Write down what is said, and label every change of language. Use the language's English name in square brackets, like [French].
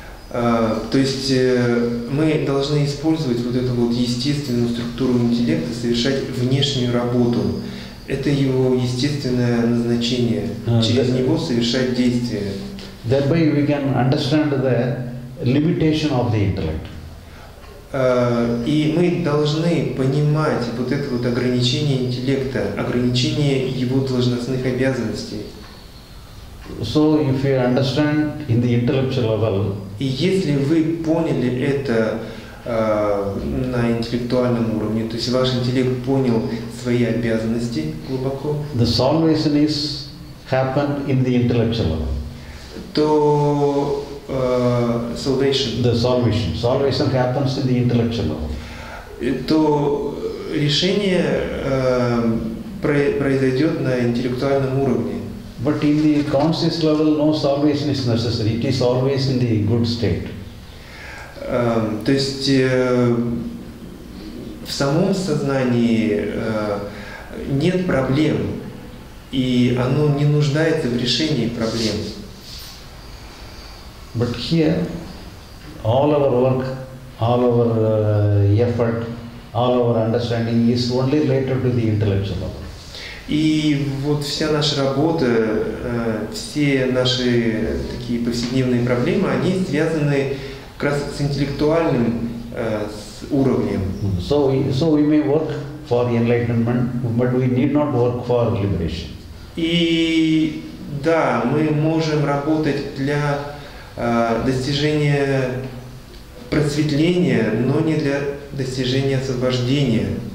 [Russian] То есть мы должны использовать вот эту вот естественную структуру интеллекта, совершать внешнюю работу. Это его естественное назначение. Через него совершать действия. [English] Thereby we can understand the limitation of the intellect. [Russian] И мы должны понимать вот это вот ограничение интеллекта, ограничение его должностных обязанностей. [English] So if you understand in the intellectual level. [Russian] И если вы поняли это на интеллектуальном уровне, то есть ваш интеллект понял свои обязанности глубоко. [English] The salvation is happened in the intellectual level. [Russian] То [English] salvation. The salvation. Salvation happens in the intellectual level. [Russian] То решение произойдет на интеллектуальном уровне. [English] But in the conscious level, no salvation is necessary. It is always in the good state. [Russian] То есть в самом сознании нет проблем, и оно не нуждается в решении проблем. [English] But here, all our work, all our effort, all our understanding is only related to the intellectual level. [Russian] И вот вся наша работа, все наши такие повседневные проблемы, они связаны как раз с интеллектуальным уровнем. [English] So we may work for enlightenment, but we need not work for liberation. [Russian] И да, мы можем работать для достижения просветления, но не для достижения освобождения.